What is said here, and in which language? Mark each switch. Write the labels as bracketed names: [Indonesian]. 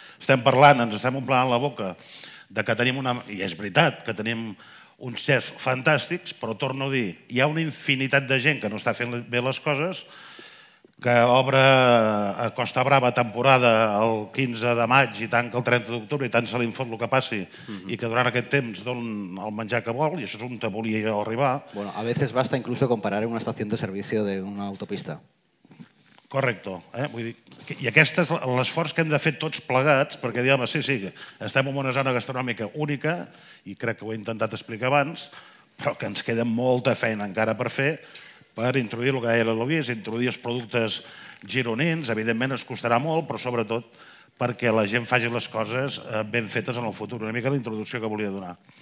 [Catalan] Estem parlant, ens estem omplant la boca de que tenim una... I és veritat que tenim uns chefs fantàstics, però torno a dir, hi ha una infinitat de gent que no està fent bé les coses, que obre a Costa Brava temporada el 15 de maig i tanca el 30 d'octubre i tant se li fot el que passi, i que durant aquest temps donen el menjar que vol, i això és on te volia jo arribar. [Spanish] Bueno, a veces basta incluso comparar en una estació de servicio de una autopista. Correcto. [Catalan] Vull dir, i aquest és l'esforç que hem de fer tots plegats, perquè diguem, sí, estem en una zona gastronòmica única, i crec que ho he intentat explicar abans, però que ens queda molta feina encara per fer, per introduir el que deia la Lluís, introduir els productes gironins, evidentment es costarà molt, però sobretot perquè la gent faci les coses ben fetes en el futur, una mica la introducció que volia donar.